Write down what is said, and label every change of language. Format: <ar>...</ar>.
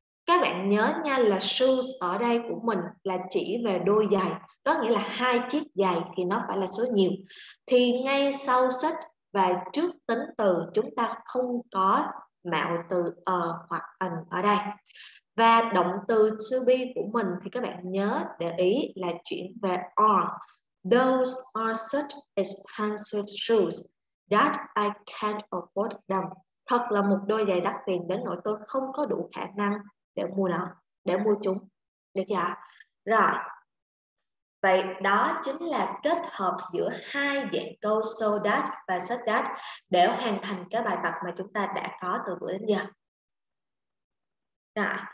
<vi>Các bạn nhớ nha là shoes ở đây của mình là chỉ về đôi giày. Có nghĩa là hai chiếc giày thì nó phải là số nhiều. Thì ngay sau such Và trước tính từ chúng ta không có mạo từ hoặc ần ở đây. Và động từ to be của mình thì các bạn nhớ để ý là chuyển về are.</vi> <en>Those are such expensive shoes that I can't afford them.</en> <vi>Thật là một đôi giày đắt tiền đến nỗi tôi không có đủ khả năng để mua nó, để mua chúng. Được chưa? Rồi. Vậy đó chính là kết hợp giữa hai dạng câu so that và such that để hoàn thành cái bài tập mà chúng ta đã có từ bữa đến giờ. Rồi.</vi>